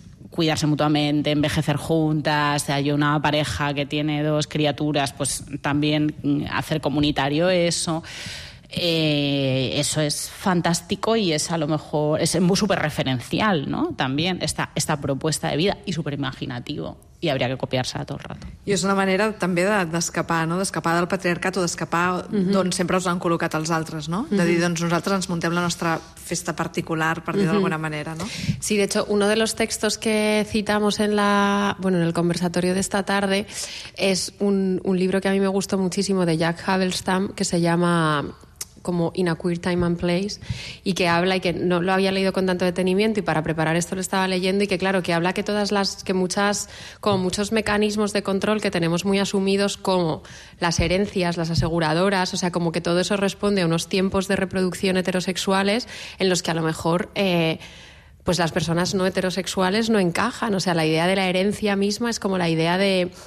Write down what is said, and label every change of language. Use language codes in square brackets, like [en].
[es] cuidarse mutuamente, envejecer juntas, hay una pareja que tiene 2 criaturas, pues también hacer comunitario eso. Eso es fantástico y es a lo mejor, es súper referencial, ¿no? También esta propuesta de vida y súper imaginativo. Y habría que copiarse todo el rato. [ca] I és una manera també d'escapar, no? D'escapar del patriarcat o d'escapar d'on sempre us han col·locat els altres, no? De dir, doncs nosaltres ens montem la nostra festa particular, per dir d'alguna manera, no? [es] Sí, de hecho, uno de los textos que citamos en la, bueno, en el conversatorio de esta tarde es un libro que a mí me gustó muchísimo de Jack Havelstam, que se llama como In a Queer Time and Place, y que habla, y que no lo había leído con tanto detenimiento, y para preparar esto lo estaba leyendo, y que claro, que habla que todas las, que muchas, como muchos mecanismos de control que tenemos muy asumidos, como las herencias, las aseguradoras, o sea, como que todo eso responde a unos tiempos de reproducción heterosexuales en los que a lo mejor pues las personas no heterosexuales no encajan. O sea, la idea de la herencia misma es como la idea de...